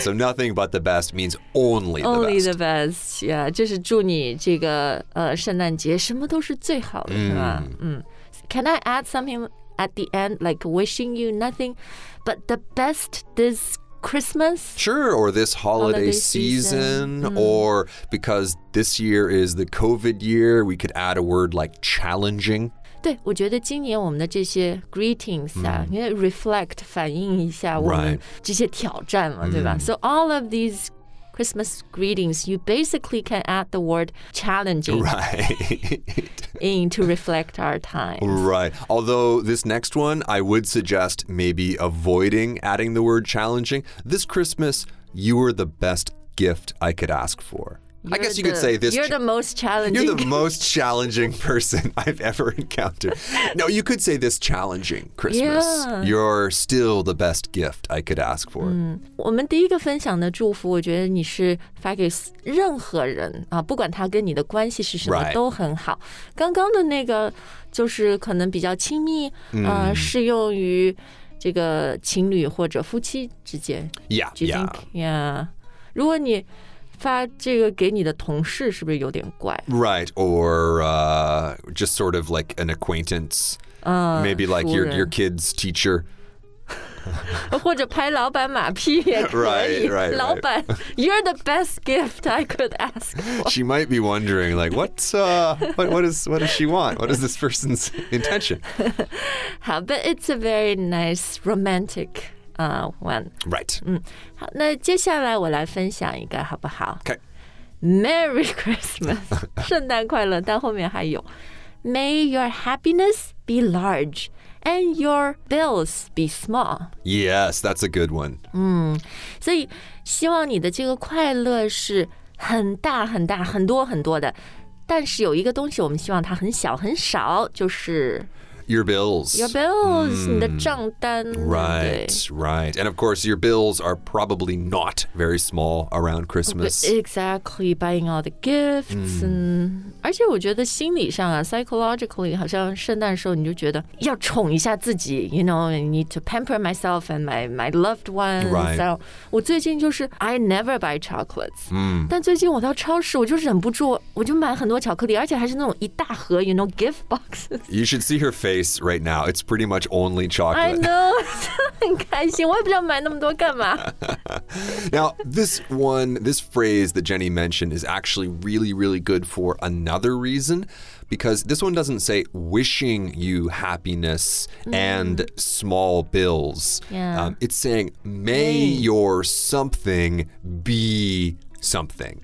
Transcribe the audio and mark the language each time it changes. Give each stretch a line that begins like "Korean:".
English: So nothing but the best means only the only best. Only the best, yeah.
Chinese: 就是祝你这个圣诞节什么都是最好的，是吧？
English: Can I add something at the end, like wishing you nothing but the best this Christmas? Sure, or this holiday season. Or because this year is the COVID year, we could add a word like challenging.
Chinese: 对，我觉得今年我们的这些 greetings 啊，因为 reflect 反映一下我们这些挑战了，对吧？
English: So all of these Christmas greetings, you basically can add the word challenging. Right. in to reflect our times. Right. Although this next one, I would suggest maybe avoiding adding the word challenging. This Christmas, you were the best gift I could ask for. You're I guess you could say this. You're the most challenging. You're the most challenging person I've ever encountered. No, you could say this challenging Christmas. Yeah. You're still the best gift I could ask for.
Chinese: 我们第一个分享的祝福，我觉得你是发给任何人啊，不管他跟你的关系是什么都很好。刚刚的那个就是可能比较亲密，适用于这个情侣或者夫妻之间。
English: Yeah.
Chinese: 如果你发这个给你的同事是不是有点怪
English: Right, or just sort of like an acquaintance. Maybe like your kid's teacher.
Chinese: 或者拍老板马屁也可以
English: Right. 老板 you're the best gift I could ask for. She might be wondering like, what does she want? What is this person's intention? 好, but it's a very nice romantic one. Right.
Chinese: 好，那接下来我来分享一个好不好
English: ？Okay. Merry Christmas, 圣诞快乐。但后面还有，May your happiness be large and your bills be small. Yes, that's a good one.
Chinese: 所以希望你的这个快乐是很大很大很多很多的，但是有一个东西我们希望它很小很少，就是。
English: Your bills. Your bills,、mm. 你的账单。 Right, right. And of course, your bills are probably not very small around Christmas. Exactly, buying all the gifts.、Mm.
Chinese: 而且我觉得心理上啊 psychologically, 好像圣诞的时候你就觉得要宠一下自己 you know, I need to pamper myself and my loved ones.
English: Right. So, 我最近就是 I never buy chocolates.、 Mm.
Chinese: 但最近我到超市我就忍不住我就买很多巧克力而且还是那种一大盒 you know, gift boxes.
English: You should see her face right now. It's pretty much only chocolate. I know.
Chinese: 很开心我也不知道买那么多干嘛
English: Now, this phrase that Jenny mentioned is actually really, really good for another reason because this one doesn't say wishing you happiness、mm. and small bills. Yeah. It's saying may your something be... something、